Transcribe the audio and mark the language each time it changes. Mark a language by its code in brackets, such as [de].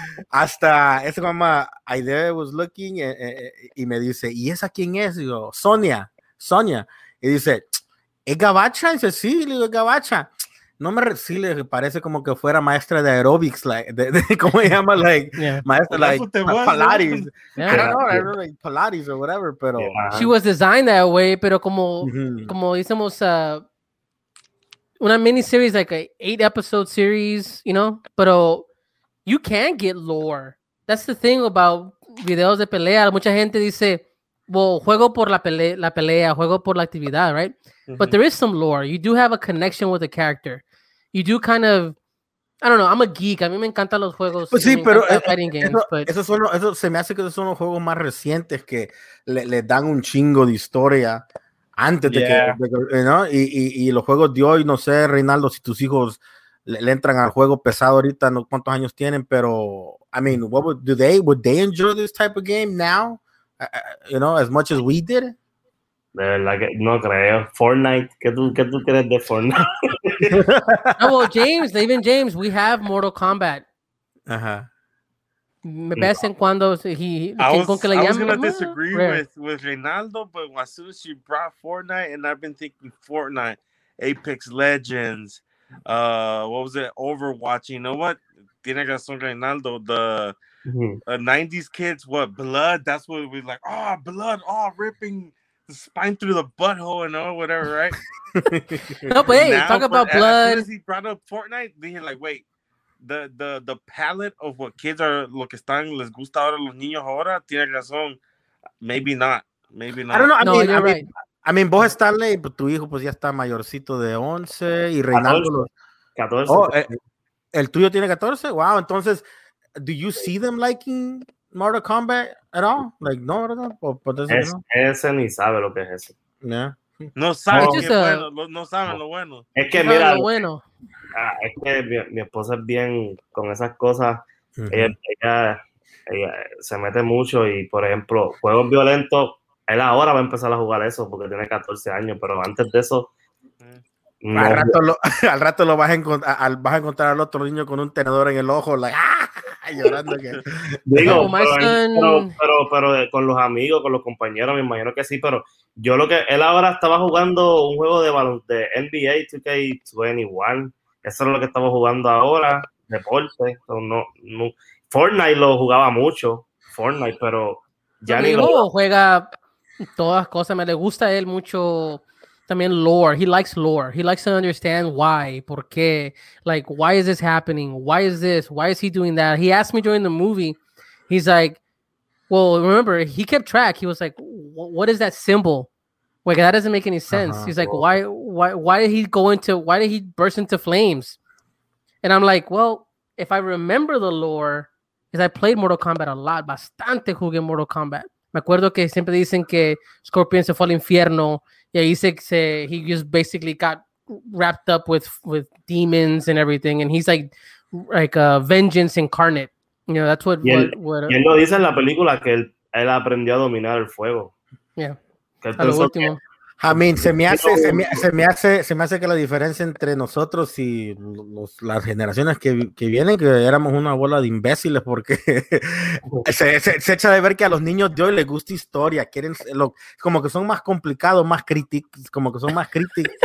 [es] Hasta ese mamá, Aide [en] was looking [es] y me dice, ¿y esa quién es? Y digo, Sonia, y dice, ¿es gabacha? Y dice, sí, le digo, gabacha. No me sí le parece como que fuera maestra de aerobics, like, de ¿cómo se llama? [en] Like, yeah. Maestra, like, Pilates. Yeah. I don't know, yeah. I don't know, like, Pilates or whatever, [es] pero... [en] Yeah. She was designed that way, [es] pero como, como hicimos una miniseries, [en] like an 8-episode series, you know? [es] Pero [en] you can get lore. That's the thing about [es] videos de pelea. Mucha gente dice, [en] well, [es] juego por la pelea, juego por la actividad, [en] right? But there is some lore. You do have a connection with a character. You do kind of, I don't know, I'm a geek. [es] A mí me encantan los juegos. Pues sí, pero [en] fighting games, [es] eso se me hace que son los juegos más recientes que le dan un chingo de historia antes de que, [en] you know? [es] Y los juegos de hoy, no sé, Reinaldo, si tus hijos le entran al juego pesado ahorita, no cuántos años tienen, pero, [en] I mean, would they enjoy this type of game now? You know, as much as we did? [es] De verdad que no creo. Fortnite, ¿qué tú crees de Fortnite? [en] No, well, James, even James, we have Mortal Kombat. Ajá. Best en cuando I was going to disagree with Reynaldo, but as soon as you brought Fortnite, and I've been thinking Fortnite, Apex Legends, what was it, Overwatch, you know what? [es] Tiene razón Reynaldo, [en] the... Mm-hmm. 90s kids, what, blood? That's what we like. Oh, blood, oh, ripping the spine through the butthole and all, whatever, right? No, but hey, now, talk about blood. As soon as he brought up Fortnite, they're like, wait, the palette of what kids are, [es] lo que están, les gusta ahora los niños ahora, tiene razón. [en] Maybe not. I don't know. [es] I mean, vos estás ley, pero tu hijo pues ya está mayorcito de 11 y Reinaldo. 14. Oh, el tuyo tiene 14? Wow, entonces. [en] Do you see them liking Mortal Kombat at all? Like, no, I don't know. But [es] ese, no. Ese ni sabe lo que es ese. [en] Yeah. [es] No saben lo bueno. Es que mira, lo bueno. Es que mi esposa es bien con esas cosas. Uh-huh. Ella se mete mucho y, por ejemplo, juegos violentos, él ahora va a empezar a jugar eso porque tiene 14 años, pero antes de eso... No. Al rato lo vas a encontrar al otro niño con un tenedor en el ojo, like, llorando. Digo, pero con los amigos, con los compañeros, me imagino que sí, pero yo lo que él ahora estaba jugando un juego de NBA 2K21. Eso es lo que estaba jugando ahora, deporte. No. Fortnite lo jugaba mucho, Fortnite, pero ya mi hijo juega todas cosas, me le gusta a él mucho. También [en] lore. He likes lore. He likes to understand why, [es] por qué. [en] Like, why is this happening? Why is this? Why is he doing that? He asked me during the movie. He's like, well, remember, he kept track. He was like, what is that symbol? Like, that doesn't make any sense. Uh-huh, he's like, why did he burst into flames? And I'm like, well, if I remember the lore, because I played Mortal Kombat a lot, [es] bastante jugué Mortal Kombat. Me acuerdo que siempre dicen que Scorpion se fue al infierno. [en] Yeah, he just basically got wrapped up with demons and everything, and he's like a vengeance incarnate. You know, that's what. [es] Y él lo dice en la película que él aprendió a dominar el fuego. [en] Yeah. [es] Que a lo último. Que, [en] I mean, [es] se me hace que la diferencia entre nosotros y las generaciones que vienen, que éramos una bola de imbéciles, porque se echa de ver que a los niños de hoy les gusta historia, quieren lo como que son más complicados, más críticos, como que son más críticos.